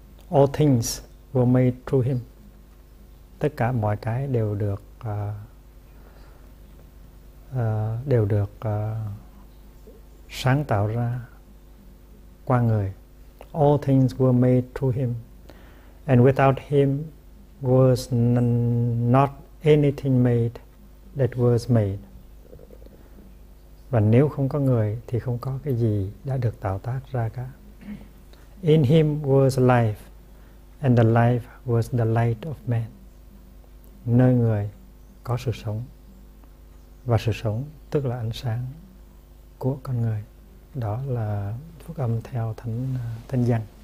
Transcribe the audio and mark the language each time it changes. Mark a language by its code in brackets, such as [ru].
[en] All things were made through him. [vi] Tất cả mọi cái đều được sáng tạo ra qua người. [en] All things were made through him. And without him was not anything made that was made. [vi] Và nếu không có người thì không có cái gì đã được tạo tác ra cả. [en] In him was life, and the life was the light of man. [vi] Nơi người có sự sống, và sự sống tức là ánh sáng của con người. Đó là phúc âm theo thánh thánh Giăng.